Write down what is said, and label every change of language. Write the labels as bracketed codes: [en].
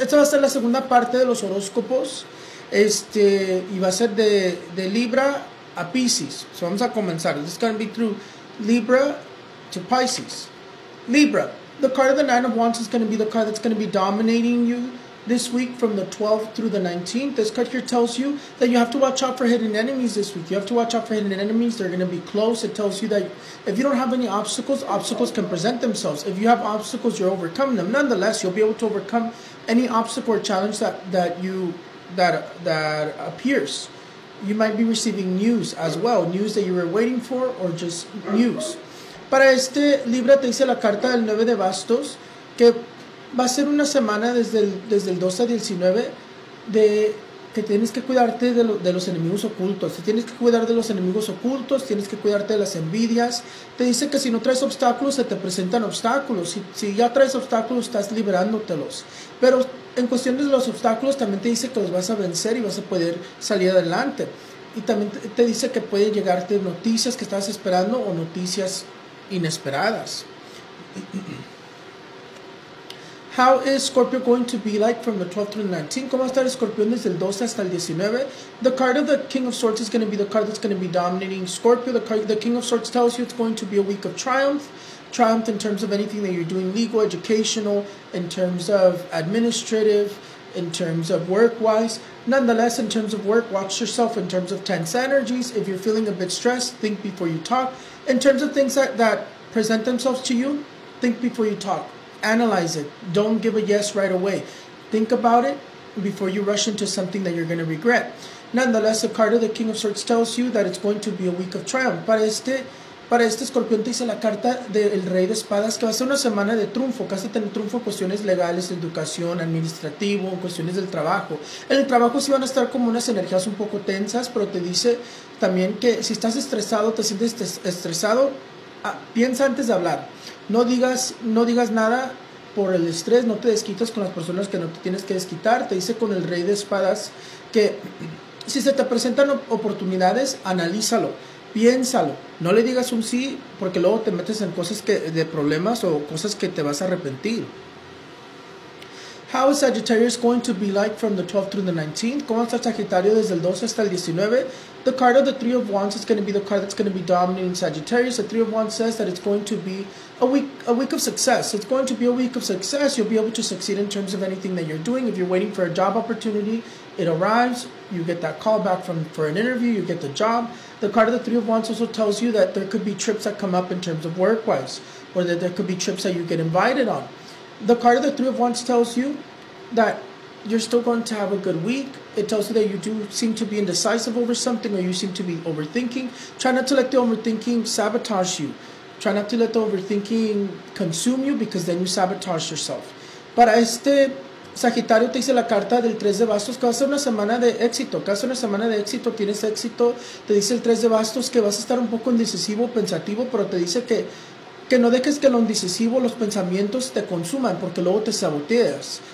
[es] Esta va a ser la segunda parte de los horóscopos. Y va a ser de Libra a Pisces. So vamos a comenzar. [en] This is going to be through Libra to Pisces. Libra, the card of the Nine of Wands is going to be the card that's going to be dominating you this week from the 12th through the 19th. This card here tells you that you have to watch out for hidden enemies this week. You have to watch out for hidden enemies. They're going to be close. It tells you that if you don't have any obstacles, obstacles can present themselves. If you have obstacles, you're overcoming them. Nonetheless, you'll be able to overcome any obstacle or challenge that appears. You might be receiving news as well. News that you were waiting for or just news. [es] Para este Libra te dice la carta del 9 de bastos que va a ser una semana desde el 12 al 19 de que tienes que cuidarte de los enemigos ocultos. Si tienes que cuidar de los enemigos ocultos, tienes que cuidarte de las envidias. Te dice que si no traes obstáculos, se te presentan obstáculos. Si ya traes obstáculos, estás liberándotelos. Pero en cuestiones de los obstáculos, también te dice que los vas a vencer y vas a poder salir adelante. Y también te dice que puede llegarte noticias que estabas esperando o noticias inesperadas. [en] How is Scorpio going to be like from the 12th to the 19th? [es] ¿Cómo va a estar Scorpio desde el 12 hasta el 19? [en] The card of the King of Swords is going to be the card that's going to be dominating Scorpio. The King of Swords tells you it's going to be a week of triumph. Triumph in terms of anything that you're doing, legal, educational, in terms of administrative, in terms of work-wise. Nonetheless, in terms of work, watch yourself in terms of tense energies. If you're feeling a bit stressed, think before you talk. In terms of things that present themselves to you, think before you talk. Analyze it. Don't give a yes right away. Think about it before you rush into something that you're going to regret. Nonetheless, the card of the King of Swords tells you that it's going to be a week of triumph. [es] Para este escorpión te dice la carta del Rey de Espadas que va a ser una semana de triunfo. Que vas a tener triunfo en cuestiones legales, educación, administrativo, en cuestiones del trabajo. En el trabajo sí van a estar como unas energías un poco tensas, pero te dice también que si estás estresado, te sientes estresado, piensa antes de hablar. No digas nada por el estrés, no te desquites con las personas que no te tienes que desquitar. Te dice con el Rey de Espadas que si se te presentan oportunidades, analízalo, piénsalo. No le digas un sí porque luego te metes en cosas de problemas o cosas que te vas a arrepentir. [en] How is Sagittarius going to be like from the 12th through the 19th? [es] ¿Cómo está Sagitario desde el 12 hasta el 19? [en] The card of the Three of Wands is going to be the card that's going to be dominating Sagittarius. The Three of Wands says that it's going to be a week of success. It's going to be a week of success. You'll be able to succeed in terms of anything that you're doing. If you're waiting for a job opportunity, it arrives. You get that call back for an interview. You get the job. The card of the Three of Wands also tells you that there could be trips that come up in terms of work-wise, or that there could be trips that you get invited on. The card of the Three of Wands tells you that you're still going to have a good week. It tells you that you do seem to be indecisive over something, or you seem to be overthinking. Try not to let the overthinking sabotage you. Try not to let the overthinking consume you, because then you sabotage yourself. [es] Para este Sagitario te dice la carta del 3 de bastos que va a ser una semana de éxito. Que va a ser una semana de éxito, tienes éxito. Te dice el 3 de bastos que vas a estar un poco indecisivo, pensativo, pero te dice que no dejes que lo indecisivo, los pensamientos, te consuman, porque luego te saboteas.